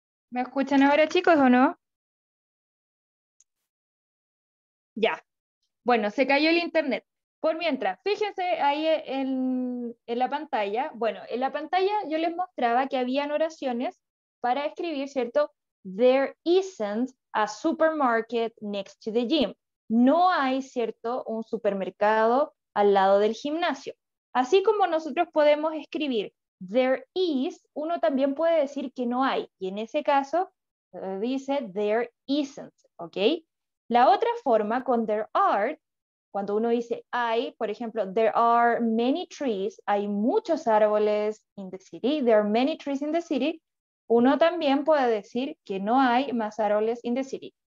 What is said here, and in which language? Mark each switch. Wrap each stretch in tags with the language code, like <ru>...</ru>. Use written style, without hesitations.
<es>¿Me escuchan ahora, chicos, o no? Ya. Bueno, se cayó el internet. Por mientras, fíjense ahí en la pantalla. Bueno, en la pantalla yo les mostraba que habían oraciones para escribir, ¿cierto?</es> <en>There isn't a supermarket next to the gym.</en> <es>No hay, ¿cierto?, un supermercado al lado del gimnasio. Así como nosotros podemos escribir there is, uno también puede decir que no hay. Y en ese caso dice there isn't, ¿ok? La otra forma con there are, cuando uno dice hay, por ejemplo,</es> <en>there are many trees,</en> <es>hay muchos árboles</es> <en>in the city, there are many trees in the city,</en> <es>uno también puede decir que no hay más árboles in the city.</es>